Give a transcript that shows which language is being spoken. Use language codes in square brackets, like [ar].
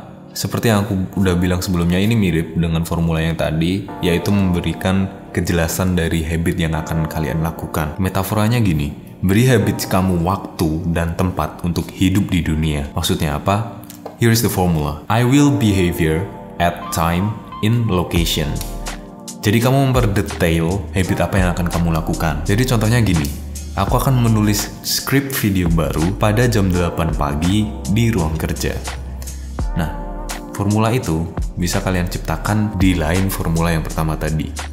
[id] Seperti yang aku udah bilang sebelumnya, ini mirip dengan formula yang tadi, yaitu memberikan kejelasan dari habit yang akan kalian lakukan. Metaforanya gini, beri habit kamu waktu dan tempat untuk hidup di dunia. Maksudnya apa? [en] Here is the formula. I will behavior at time in location. [id] Jadi kamu memperdetail habit apa yang akan kamu lakukan. Jadi contohnya gini, aku akan menulis script video baru pada jam 8 pagi di ruang kerja. Nah, formula itu bisa kalian ciptakan di lain formula yang pertama tadi.